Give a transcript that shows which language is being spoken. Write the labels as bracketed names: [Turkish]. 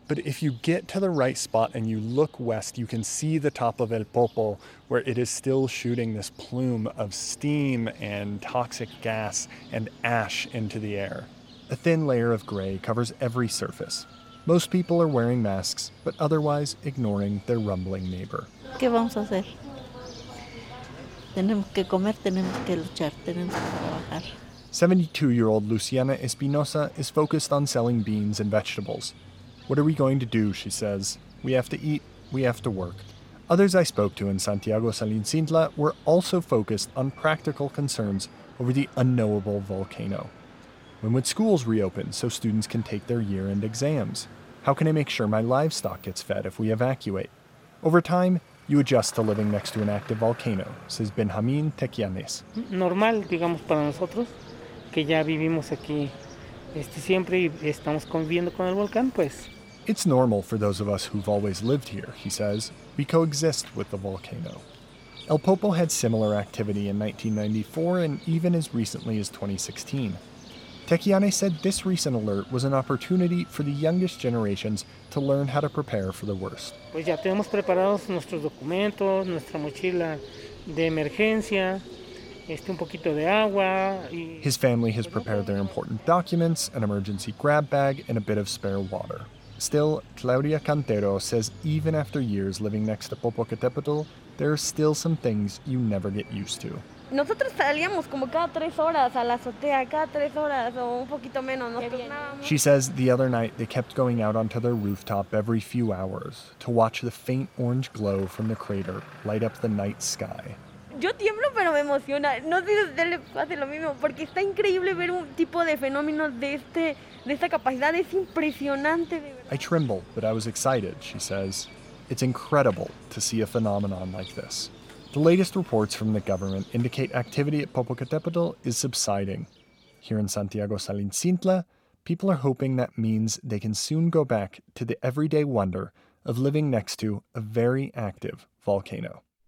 [English] But if you get to the right spot and you look west, you can see the top of El Popo, where it is still shooting this plume of steam and toxic gas and ash into the air. A thin layer of gray covers every surface. Most people are wearing masks, but otherwise ignoring their rumbling neighbor. [Spanish] ¿Qué vamos a hacer? Tenemos que comer, tenemos que luchar, tenemos que trabajar. [English] 72-year-old Luciana Espinosa is focused on selling beans and vegetables. What are we going to do, she says. We have to eat, we have to work. Others I spoke to in Santiago Salincintla were also focused on practical concerns over the unknowable volcano. When would schools reopen so students can take their year-end exams? How can I make sure my livestock gets fed if we evacuate? Over time, you adjust to living next to an active volcano, says Benjamin Tequianes. [Spanish] Normal, digamos, para nosotros, que ya vivimos aquí siempre y estamos conviviendo con el volcán, pues. [English] It's normal for those of us who've always lived here, he says. We coexist with the volcano. El Popo had similar activity in 1994 and even as recently as 2016. Tequianes said this recent alert was an opportunity for the youngest generations to learn how to prepare for the worst. [Spanish] Pues ya tenemos preparados nuestros documentos, nuestra mochila de emergencia, un poquito de agua. [English] His family has prepared their important documents, an emergency grab bag, and a bit of spare water. Still, Claudia Cantero says even after years living next to Popocatépetl, there are still some things you never get used to. [Spanish] Nosotros salíamos como cada 3 horas a la azotea, cada 3 horas, o un poquito menos. [English] She says the other night they kept going out onto their rooftop every few hours to watch the faint orange glow from the crater light up the night sky. [Spanish] Yo tiemblo, pero me emociona. No sé si usted le pasa lo mismo, porque está increíble ver un tipo de fenómeno de esta capacidad. Es impresionante. [English] I tremble, but I was excited, she says. It's incredible to see a phenomenon like this. The latest reports from the government indicate activity at Popocatépetl is subsiding. Here in Santiago Salincintla, people are hoping that means they can soon go back to the everyday wonder of living next to a very active volcano.